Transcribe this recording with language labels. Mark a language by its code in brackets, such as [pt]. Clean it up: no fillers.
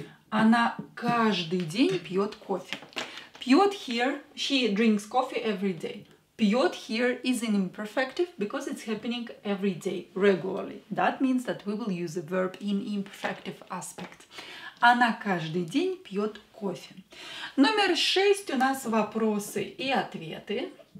[ru] Она каждый день пьет кофе. [en] Пьет here, she drinks coffee every day. Пьет here is in imperfective because it's happening every day, regularly. That means that we will use a verb in imperfective aspect. [ru] Она каждый день пьет кофе. Номер 6 у нас вопросы и ответы.